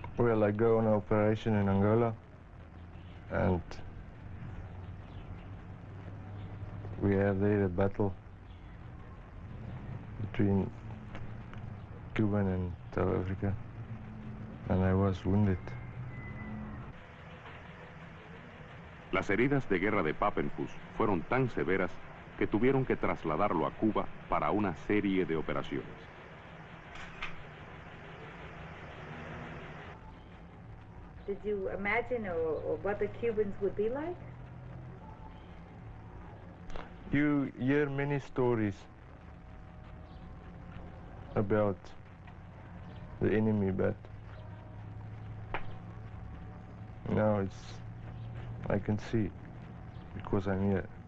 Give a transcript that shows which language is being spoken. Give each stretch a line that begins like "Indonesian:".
English: Well, I go on an operation in Angola, and we have there a battle between Cuban and South Africa, and I was wounded.
Spanish: Las heridas de guerra de Papenfuss fueron tan severas que tuvieron que trasladarlo a Cuba para una serie de operaciones.
English: Did you imagine or what the Cubans would be like? You hear many stories about the enemy, but now it's, I can see because I'm here.